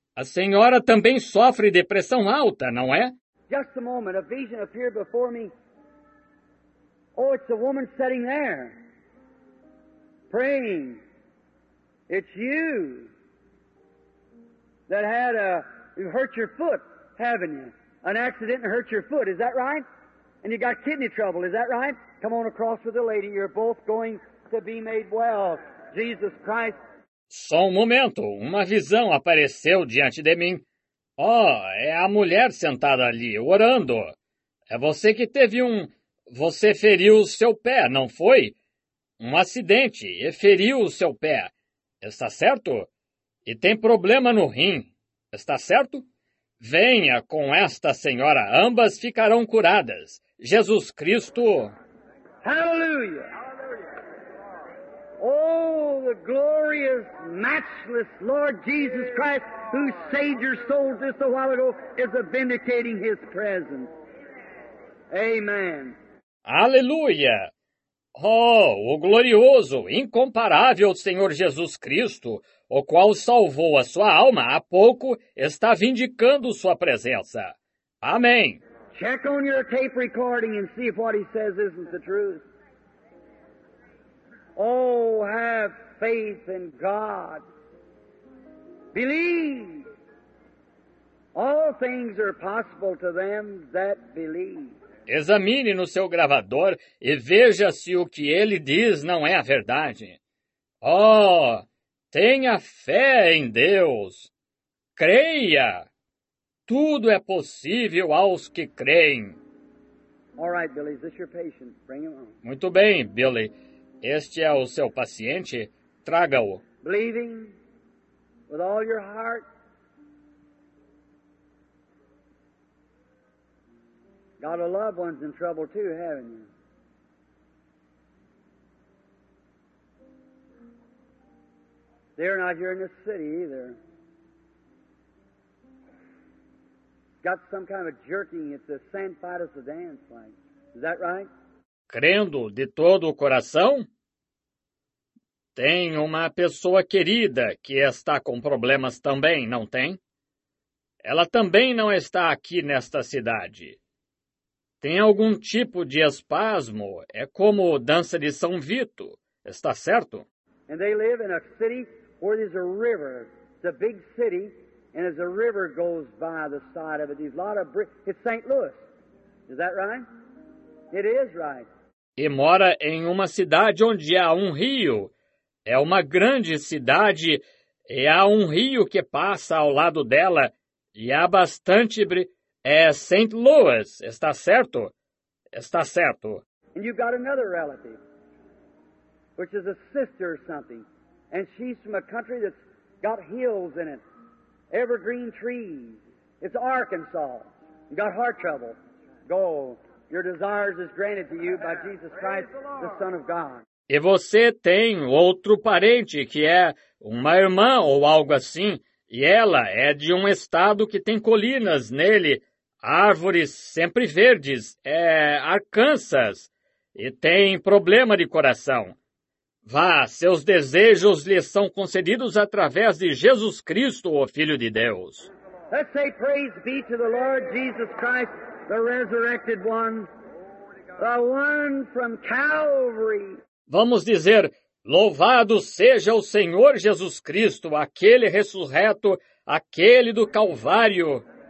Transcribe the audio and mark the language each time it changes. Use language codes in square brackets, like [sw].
[pt] A senhora também sofre de pressão alta, não é? [en] Just a moment, a vision appeared before me. Oh, it's a woman sitting there, praying. It's you that had a you hurt your foot, haven't you? An accident and hurt your foot, is that right? And you got kidney trouble, is that right? Come on across with the lady, you're both going to be made well. Jesus Christ. [pt] Só um momento, uma visão apareceu diante de mim. Oh, é a mulher sentada ali, orando. É você que teve um... Você feriu o seu pé, não foi? Um acidente e feriu o seu pé. Está certo? E tem problema no rim. Está certo? Venha com esta senhora, ambas ficarão curadas. Jesus Cristo... Aleluia! [en] Oh, the glorious, matchless Lord Jesus Christ, who saved your soul just a while ago, is a vindicating His presence. Amen. [pt] Aleluia! Oh, o glorioso, incomparável Senhor Jesus Cristo, o qual salvou a sua alma há pouco, está vindicando sua presença. Amém. [en] Check on your tape recording and see if what he says isn't the truth. Oh, have faith in God. Believe. All things are possible to them that believe. [pt] Examine no seu gravador e veja se o que ele diz não é a verdade. Oh, tenha fé em Deus. Creia. Tudo é possível aos que creem. [en] All right, Billy, is this your patient? Bring him on. [pt] Muito bem, Billy. Este é o seu paciente. Traga-o. [en] Believing with all your heart. Got a loved one's in trouble too, haven't you? They're not here in this city either. got some kind of jerking at the San Fidas of Dance thing. Is that right? [pt] Crendo de todo o coração? Tem uma pessoa querida que está com problemas também, não tem? Ela também não está aqui nesta cidade. Tem algum tipo de espasmo, é como dança de São Vito, está certo? [en] And they live in a city where there's a river. It's a big city, and as a river goes by the side of it, there's a lot of bridges. It's St. Louis. Is that right? It is right. [pt] E mora em uma cidade onde há um rio. É uma grande cidade e há um rio que passa ao lado dela e há bastante é St. Louis, está certo? Está certo. [en] And you've got another relative, which is a sister or something, and she's from a country that's got hills in it, evergreen trees. It's Arkansas. You got heart trouble. Go. Your desires is granted to you by Jesus Christ, the Son of God. [pt] E você tem outro parente que é uma irmã ou algo assim, e ela é de um estado que tem colinas nele, árvores sempre verdes, é Arkansas, e tem problema de coração. Vá, seus desejos lhe são concedidos através de Jesus Cristo, o Filho de Deus. [en] Let's say praise be to the Lord Jesus Christ, the resurrected one, the one from Calvary. [pt] Vamos dizer, louvado seja o Senhor Jesus Cristo, aquele ressurreto, aquele do Calvário.